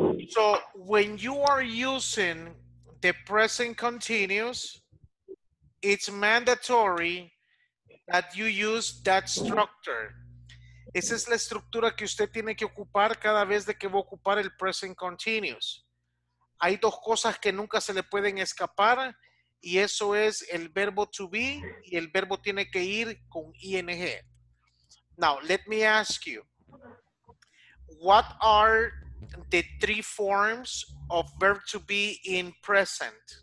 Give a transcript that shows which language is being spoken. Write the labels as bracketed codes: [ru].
[en] So when you are using the present continuous, it's mandatory that you use that structure. [es] Esa es la estructura que usted tiene que ocupar cada vez de que va a ocupar el present continuous. Hay dos cosas que nunca se le pueden escapar. Y eso es el verbo to be, y el verbo tiene que ir con ing. [en] Now, let me ask you, what are the 3 forms of verb to be in present?